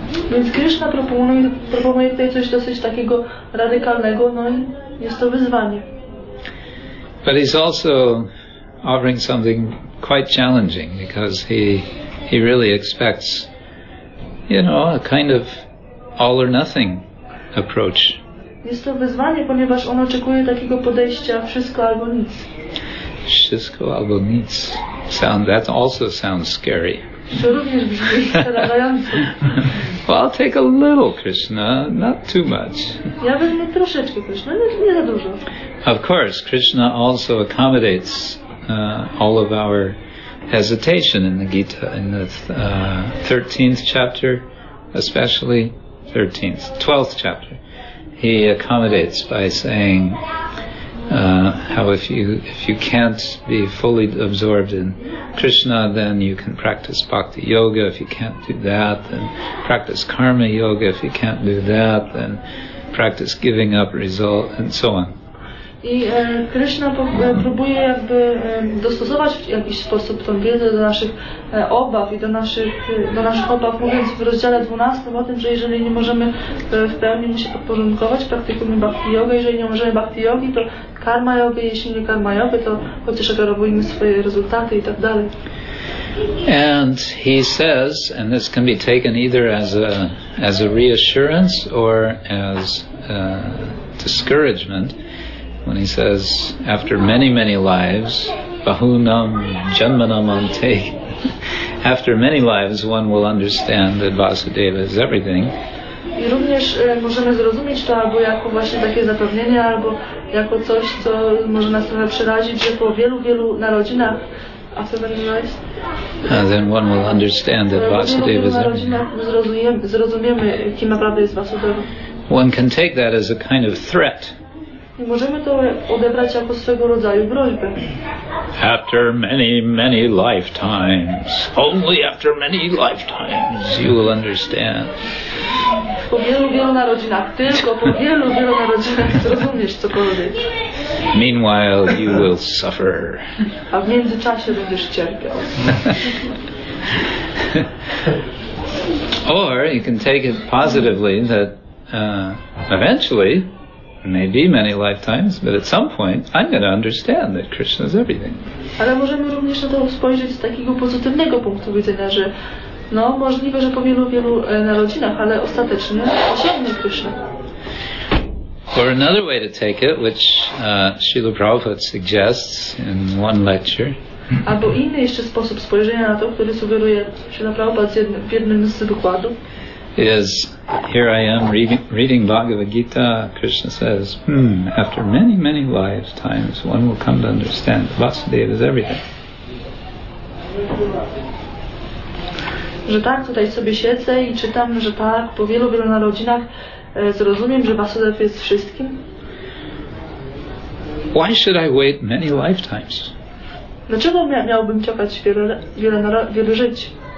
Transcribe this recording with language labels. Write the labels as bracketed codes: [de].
[pl] Więc Krishna proponuje tutaj coś dosyć takiego radykalnego, no i jest to wyzwanie. [en] But he's also offering something quite challenging, because he really expects, you know, a kind of all or nothing approach. [pl] Jest to wyzwanie, ponieważ on oczekuje takiego podejścia wszystko albo nic. Wszystko albo nic. [en] That also sounds scary. [pl] To również brzmi przerażająco. [en] Well, I'll take a little, Krishna, not too much. [pl] Ja wezmę troszeczkę, Krishna, nie za dużo. [en] Of course, Krishna also accommodates all of our hesitation in the Gita, in the 13th chapter, especially 13th, 12th chapter. He accommodates by saying how if you can't be fully absorbed in Krishna, then you can practice bhakti yoga. If you can't do that, then practice karma yoga. If you can't do that, then practice giving up result, and so on. [pl] I Krishna próbuje jakby dostosować w jakiś sposób tą wiedzę do naszych obaw i do naszych obaw, mówiąc w rozdziale 12 o tym, że jeżeli nie możemy w pełni mu się podporządkować, praktykujmy bhakti yoga, jeżeli nie możemy bhakti yogi, to karma yoga, jeśli nie karma yoga, to chociaż robimy swoje rezultaty i tak dalej. [en] And he says, and this can be taken either as a reassurance or as a discouragement, when he says, after many, many lives, [sa] bahunam janmanam ante, [en] after many lives one will understand that Vasudeva is everything. [pl] I również możemy zrozumieć to albo jako właśnie takie zapewnienie, albo jako coś, co może nas trochę przerazić, że po wielu, wielu narodzinach, [en] after many lives, then one will understand that Vasudeva is everything. [pl] Zrozumiemy, kim naprawdę jest Vasudeva. [en] One can take that as a kind of threat. [pl] Możemy to odebrać jako swego rodzaju groźbę. [en] After many, many lifetimes, only after many lifetimes, you will understand. [pl] Po wielu, wielu narodzinach, tylko po wielu, wielu narodzinach zrozumiesz cokolwiek. [en] Meanwhile, you will suffer. [pl] A w międzyczasie będziesz cierpiał. [en] Or you can take it positively that eventually, maybe many lifetimes, but at some point I'm going to understand that Krishna is everything. [pl] Ale możemy również na to spojrzeć z takiego pozytywnego punktu widzenia, że no możliwe, że po wielu, wielu narodzinach, ale ostatecznie osiągnę Krishna. [en] Or another way to take it, which Srila Prabhupada suggests in one lecture. [pl] Albo inny jeszcze sposób spojrzenia na to, który sugeruje Srila Prabhupada w jednym z wykładów. [en] Is here I am reading Bhagavad Gita. Krishna says, after many, many lifetimes, one will come to understand that Vasudeva is everything. [pl] Że tak, tutaj sobie siedzę i czytam, że tak, po wielu, wielu narodzinach zrozumiem, że Vasudeva jest wszystkim. [en] Why should I wait many lifetimes? [pl] Dlaczego miałbym czekać wiele żyć?